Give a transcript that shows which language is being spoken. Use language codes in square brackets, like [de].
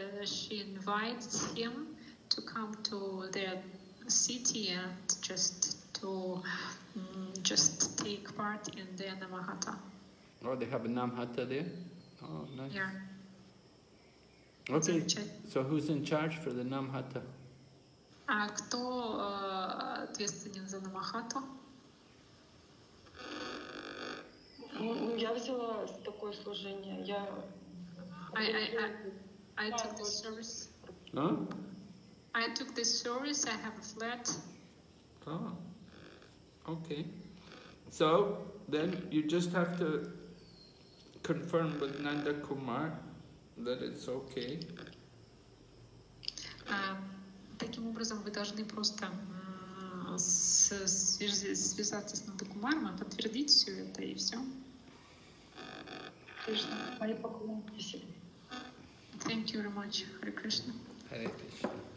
[en] She invites him to come to their city and just take part in their Namahata. Oh, they have a Namahata there? Oh, nice. Yeah. Okay, so who's in charge for the Namahata? [ru] Кто ответственен за Намахату? Я взяла такое служение. [en] I took this service. Huh? I took this service. I have a flat. Oh. Okay. So then you just have to confirm with Nanda Kumar that it's okay. Таким образом, вы должны просто связаться с Нанда Кумаром, подтвердить все это и все. Thank you very much, Hare Krishna. Hare Krishna.